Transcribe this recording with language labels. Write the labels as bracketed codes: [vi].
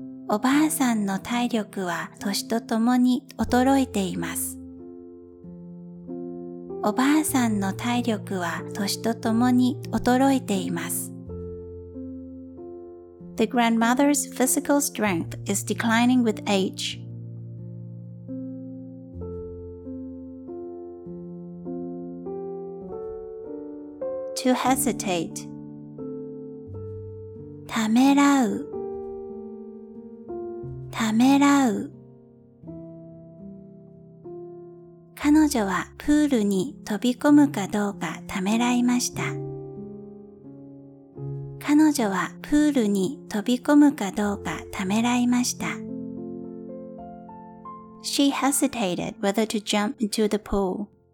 [ja] おばあさんの体力は年とともに衰えています。おばあさんの体力は年とともに衰えています。 [en] The grandmother's physical strength is declining with age. To hesitate. [ja] ためらう。ためらう。彼女はプールに飛び込むかどうかためらいました。彼女はプールに飛び込むかどうかためらいました。 [en] She hesitated whether to jump into the pool.